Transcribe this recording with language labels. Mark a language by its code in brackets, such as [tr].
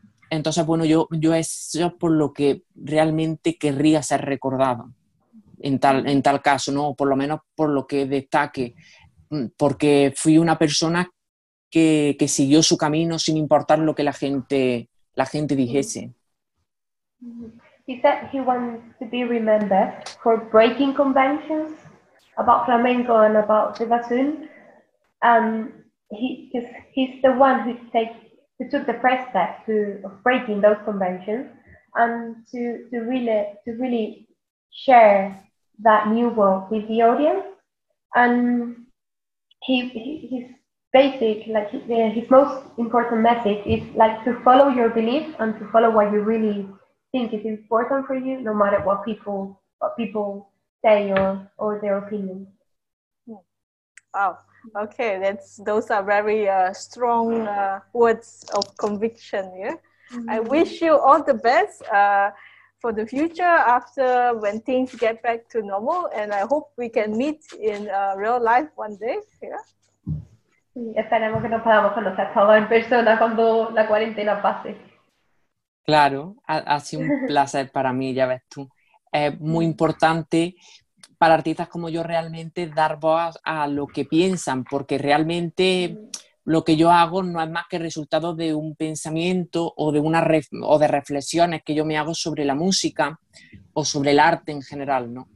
[es] Entonces, bueno, yo eso es por lo que realmente querría ser recordado en tal caso, ¿no? Por lo menos por lo que destaque, porque fui una persona que siguió su camino sin importar lo que la gente dijese. [en] He said he wants to be remembered for breaking conventions about flamenco and about the bassoon. He's the one who took the first step of breaking those conventions and to really share that new world with the audience. And he's basic, like his most important message is like to follow your belief and to follow what you really think is important for you, no matter what people say or their opinion. Wow. Okay, those are very strong words of conviction. Yeah, I wish you all the best for the future after when things get back to normal, and I hope we can meet in real life one day. Yeah. [es] Sí, esperemos que nos podamos conocer todos en persona cuando la cuarentena pase. Claro, ha sido un placer para mí, ya ves tú. Es muy importante para artistas como yo realmente dar voz a lo que piensan, porque realmente lo que yo hago no es más que el resultado de un pensamiento o de una ref o de reflexiones que yo me hago sobre la música o sobre el arte en general, ¿no?